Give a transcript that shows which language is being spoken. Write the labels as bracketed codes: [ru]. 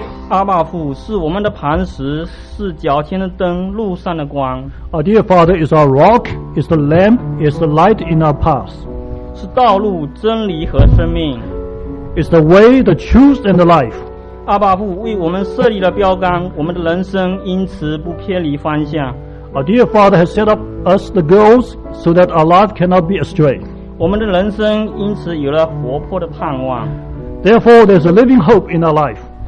[zh] 阿爸父, 是我们的磐石, 是脚前的灯, 路上的光。 [en] Our dear Father is our rock, is the lamp, is the light in our path. [zh] 是道路, 真理和生命。 [en] Is the way, the truth, and the life. [zh] 阿爸父, 为我们设立了标杆, 我们的人生因此不偏离方向。 [en] Our dear Father has set up us the goals so that our life cannot be astray. [zh] 我们的人生因此有了活泼的盼望。 [en] Therefore, there's a living hope in our life.